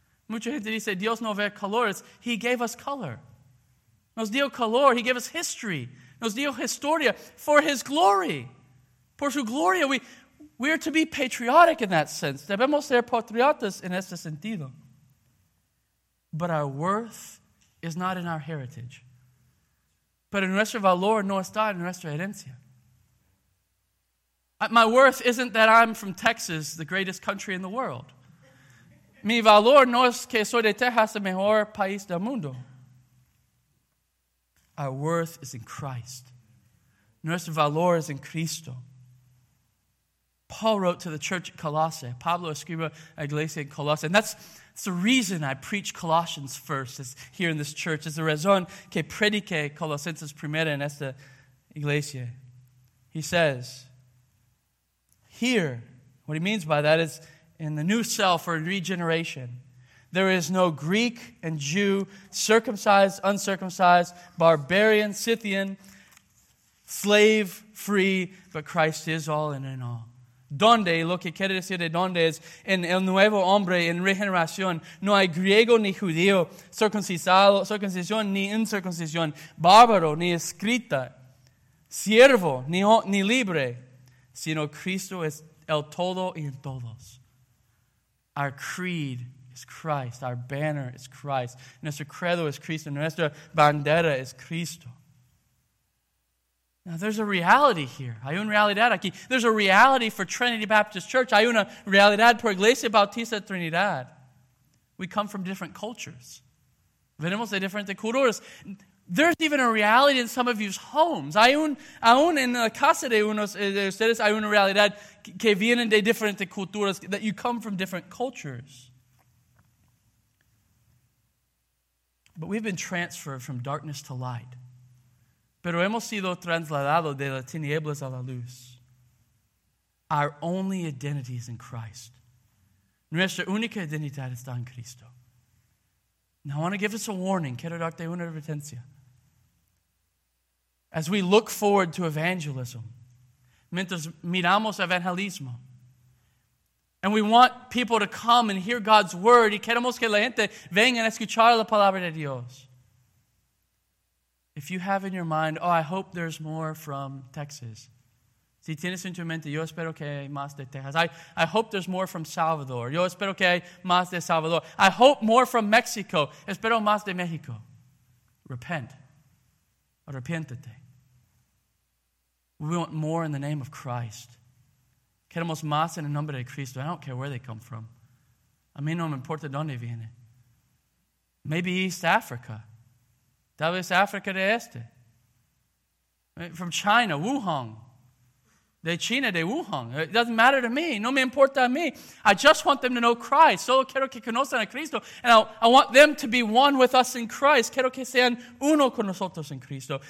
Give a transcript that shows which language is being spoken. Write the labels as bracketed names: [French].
[Spanish] Mucha gente dice, Dios no ve colores. [English] He gave us color. [Spanish] Nos dio color. [English] He gave us history. [Spanish] Nos dio historia [English] for his glory. [Spanish] Por su gloria. [English] We are to be patriotic in that sense. [Spanish] Debemos ser patriotas en este sentido. [English] But our worth is not in our heritage. [Spanish] Pero nuestro valor no está en nuestra herencia. [English] My worth isn't that I'm from Texas, the greatest country in the world. [Spanish] Mi valor no es que soy de Texas, el mejor país del mundo. [English] Our worth is in Christ. [Spanish] Nuestro valor [English] is in Cristo. Paul wrote to the church at Colossae. [Spanish] Pablo escribió a Iglesia en Colossae. [English] And that's it's the reason I preach Colossians first is here in this church. It's the reason [Spanish] que predique Colosenses primera en esta iglesia. [English] He says, here, what he means by that is in the new self or regeneration, there is no Greek and Jew, circumcised, uncircumcised, barbarian, Scythian, slave, free, but Christ is all and in all. [Spanish] Donde, lo que quiere decir de donde es, en el nuevo hombre, en regeneración, no hay griego ni judío, circuncisión ni incircuncisión, bárbaro ni escrita, siervo ni libre, sino Cristo es el todo y en todos. [English] Our creed is Christ, our banner is Christ, [Spanish] nuestro credo es Cristo, [English] nuestra bandera es Cristo. Now, there's a reality here. [Spanish] Hay una realidad aquí. [English] There's a reality for Trinity Baptist Church. [Spanish] Hay una realidad por Iglesia Bautista Trinidad. [English] We come from different cultures. [Spanish] Venimos de diferentes culturas. [English] There's even a reality in some of you's homes. [Spanish] Aún en la casa de unos de ustedes hay una realidad que vienen de diferentes culturas, [English] that you come from different cultures. But we've been transferred from darkness to light. [Spanish] Pero hemos sido trasladados de las tinieblas a la luz. [English] Our only identity is in Christ. [Spanish] Nuestra única identidad está en Cristo. [English] Now I want to give us a warning. [Spanish] Quiero darte una advertencia. [English] As we look forward to evangelism, [Spanish] mientras miramos evangelismo, [English] and we want people to come and hear God's word, [Spanish] y queremos que la gente venga a escuchar la palabra de Dios. [English] If you have in your mind, oh, I hope there's more from Texas. [Spanish] Si tienes en tu mente, yo espero que hay más de Texas. [English] I hope there's more from Salvador. [Spanish] Yo espero que hay más de Salvador. [English] I hope more from Mexico. [Spanish] Espero más de México. [English] Repent. [Spanish] Arrepiéntete. [English] We want more in the name of Christ. [Spanish] Queremos más en el nombre de Cristo. [English] I don't care where they come from. [Spanish] A mí no me importa dónde viene. [English] Maybe East Africa. [Spanish] Tal vez África de este. [English] From China, Wuhan. [Spanish] De China, de Wuhan. [English] It doesn't matter to me. [Spanish] No me importa a mí. [English] I just want them to know Christ. [Spanish] Solo quiero que conozcan a Cristo. [English] And I want them to be one with us in Christ. [Spanish] Quiero que sean uno con nosotros en Cristo.